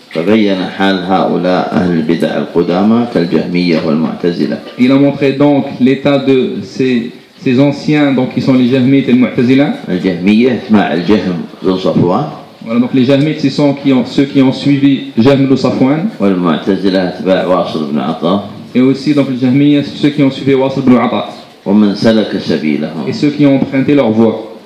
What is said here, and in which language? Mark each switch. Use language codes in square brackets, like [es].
[ar] تبين حال هؤلاء أهل البدع القدامى كالجهمية والمعتزلة. [fr] Il a montré donc l'état de ces anciens donc qui sont les Jahmites et les Mu'tazila. [ar] الجهمية اسمع الجهم بن صفوان. [fr] Voilà donc les Jahmites ce sont ceux qui ont suivi Jahm bin Safwan. [ar] والمعتزلة اتباع واصل بن عطاء. [fr] Et aussi donc les Jahmiyya ceux qui ont suivi واصل بن عطاء. [ar] ومن سلك سبيلهم. [fr] Et ceux qui ont emprunté leur voie.